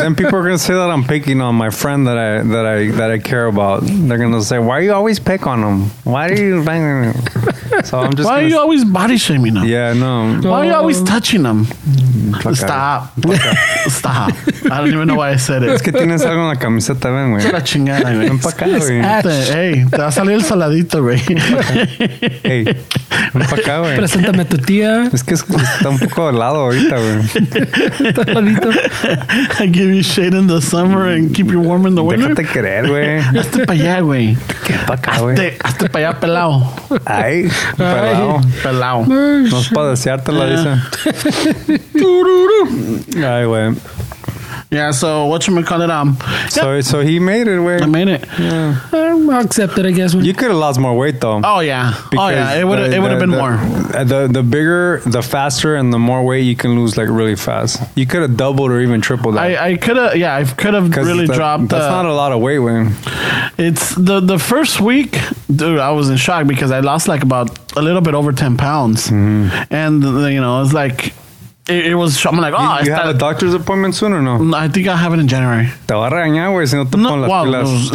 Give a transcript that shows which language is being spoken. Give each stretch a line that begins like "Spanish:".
English: And people are going to say that I'm picking on my friend that I care about. They're going to say, why do you always pick on him? Why do you bang on him? So I'm just. Why are you always body shaming him? Yeah, no. Why are you always touching him? Stop. I don't even know why I said it.
Spanish: Es que tienes algo en la camiseta, ven, güey. Es la chingada, güey. Ven pa' acá, güey. Hey, te va a salir el saladito, güey. Hey, ven para acá, güey. Preséntame a tu tía. Es que está un poco helado ahorita, güey. Está heladito.
English: I give you shade in the summer and keep you warm in the winter.
Spanish: Déjate creer, güey. Hazte para allá, güey. ¿Qué para acá, güey? Hazte para allá, pelado. Ay, pelado. Pelado. No es para deseártela, dice. Ay, güey.
English: Yeah, so whatchamacallit, So he made it, wait. I made it. Yeah. I accept it, I guess. You could have lost more weight, though. Oh, yeah. Oh, yeah. It would have been more. The bigger, the faster, and the more weight you can lose, like, really fast. You could have doubled or even tripled that. I could have dropped. That's not a lot of weight, Wayne. It's the first week, dude, I was in shock because I lost, like, about a little bit over 10 pounds. Mm-hmm. And, you know, it's like... It was, I'm like, oh, you have a doctor's appointment soon or no? I think I have it in January.
Spanish: Te va a regañar, güey, si no te pones las pilas.